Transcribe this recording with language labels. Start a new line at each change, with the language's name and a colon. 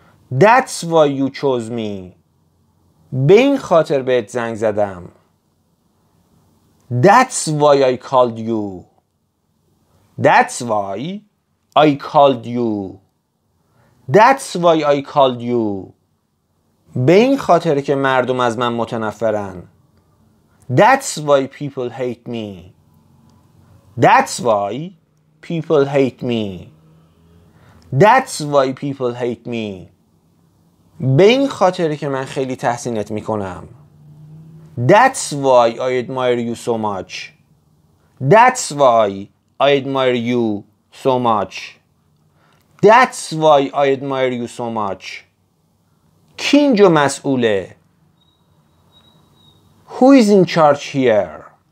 English: That's why you chose me.
Persian: به این خاطر بهت زنگ زدم.
English: That's why I called you. That's why I called you. That's why I called you.
Persian: به این خاطر که مردم از من متنفرن.
English: That's why people hate me. That's why people hate me. That's why people hate me.
Persian: به این خاطر که من خیلی تحسینت می کنم.
English: That's why I admire you so much. That's why I admire you so much. That's why I admire you so much.
Persian: کی اینجا مسئوله؟
English: Who is in charge here?